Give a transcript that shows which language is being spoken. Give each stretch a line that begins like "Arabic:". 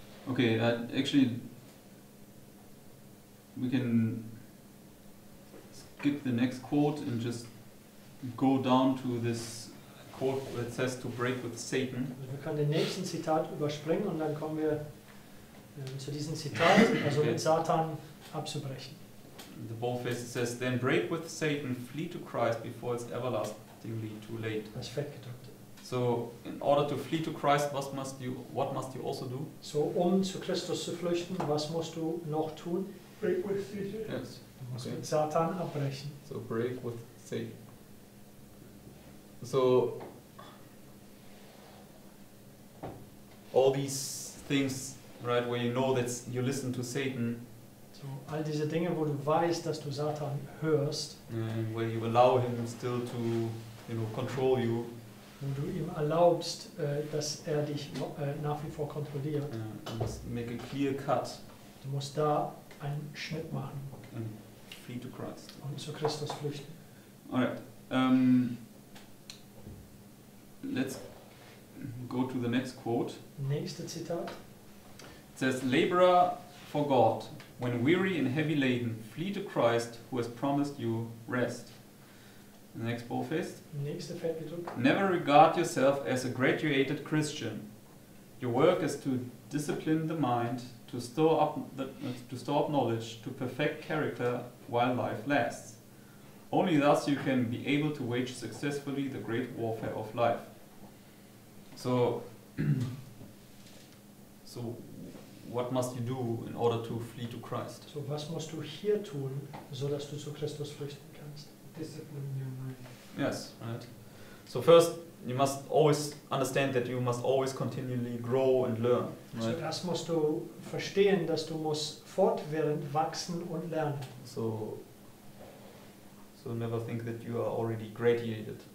English: Okay, actually, we can skip the next quote and just go down to this quote that says to break with Satan.
German: Also wir können den nächsten Zitat überspringen und dann kommen wir zu diesem Zitat, also okay. Mit Satan abzubrechen.
English: The boldface says, then break with Satan, flee to Christ before it's everlastingly too late.
German: Das ist fett gedruckt.
English: So, in order to flee to Christ, what must you also do?
German: So, um zu Christus zu flüchten, was musst du noch tun?
English: Break with Satan. Yes.
German: Du musst
English: okay.
German: Mit Satan abbrechen.
English: So, break with Satan. So, all these things, right, where you know that you listen to Satan.
German: So, all diese Dinge, wo du weißt, dass du Satan hörst.
English: And where you allow him still to, you know, control you.
German: Wo du ihm erlaubst, dass dich nach wie vor kontrolliert.
English: You must make a clear cut.
German: Du musst da einen Schnitt machen.
English: And flee to Christ.
German: Und zu Christus flüchten.
English: Alright. Let's go to the next quote.
German: Nächste Zitat.
English: It says, laborer for God, when weary and heavy laden, flee to Christ, who has promised you rest. The next boldface.
German: Nächste Fettgedruck.
English: Never regard yourself as a graduated Christian. Your work is to discipline the mind, to store up knowledge, to perfect character while life lasts. Only thus you can be able to wage successfully the great warfare of life. So what must you do in order to flee to Christ?
German: So was musst du hier tun, so dass du zu Christus flüchten kannst?
English: Discipline your mind. Yes, right. So first you must always understand that you must always continually grow and learn. Right?
German: So das musst du verstehen, dass du musst fortwährend wachsen und lernen.
English: So never think that you are already graduated.